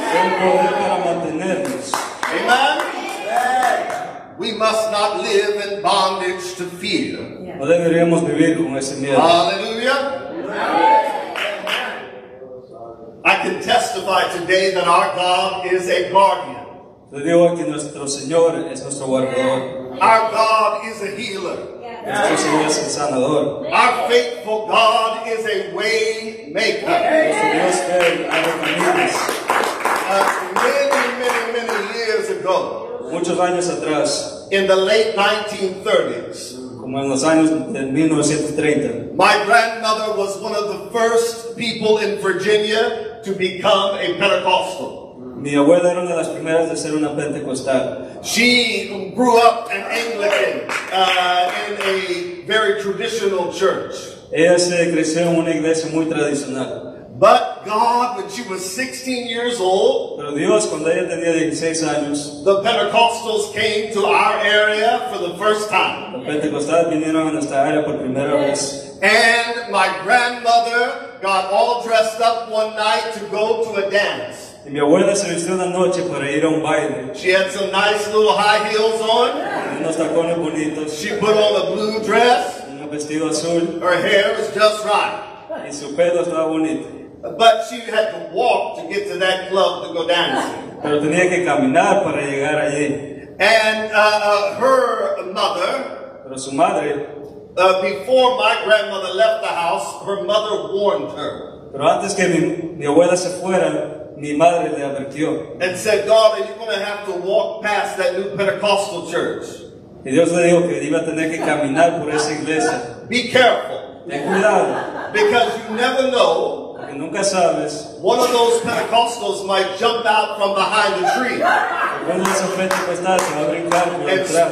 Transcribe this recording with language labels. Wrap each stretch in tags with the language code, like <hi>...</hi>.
<es>El poder para mantenernos.</es> <en>Amen? We must not live in bondage to fear.</en> <es>No deberíamos vivir con ese miedo.</es> <en>Hallelujah. I can testify today that our God is a guardian.</en> <es>Te digo que nuestro Señor es nuestro guardador.</es> <en>Our God is a healer.</en> <es>Yeah. Nuestro Señor es el sanador.</es> <en>Our faithful God is a way maker. Many years ago,</en> <es>muchos años atrás,</es> <en>in the late 1930s,</en> <es>como en los años de 1930,</es> <en>my grandmother was one of the first people in Virginia to become a Pentecostal.</en> <es>Mi abuela era una de las primeras de ser una pentecostal.</es> <en>She grew up an Anglican in a very traditional church.</en> <es>Ella se creció en una iglesia muy tradicional.</es> <en>But God, when she was 16 years old,</en> <es>pero Dios, cuando ella tenía 16 años,</es> <en>the Pentecostals came to our area for the first time.</en> <es>Los pentecostales vinieron a nuestra área por primera vez.</es> <en>And my grandmother got all dressed up one night to go to a dance.</en> <es>Y mi abuela se vistió una noche para ir a un baile.</es> <en>She had some nice little high heels on.</en> <es>Y unos tacones bonitos.</es> <en>She put on a blue dress.</en> <es>Y una vestido azul.</es> <en>Her hair was just right.</en> <es>Y su pelo estaba bonito.</es> <en>But she had to walk to get to that club to go dancing.</en> <es>Pero tenía que caminar para llegar allí.</es> <en>And her mother,</en> <es>pero su madre,</es> <en>before my grandmother left the house, her mother warned her.</en> <es>Pero antes que mi abuela se fuera, mi madre le advirtió.</es> <en>And said, "Daughter, you're going to have to walk past that new Pentecostal church."</en> <es>Y Dios le dijo que iba a tener que caminar por esa iglesia.</es> <en>Be careful.</en> <es>Ten cuidado.</es> <en>Because you never know.</en> <es>Porque nunca sabes.</es> <en>One of those Pentecostals might jump out from behind the tree.</en> <es>Uno de esos pentecostales va a brincar por detrás.</es>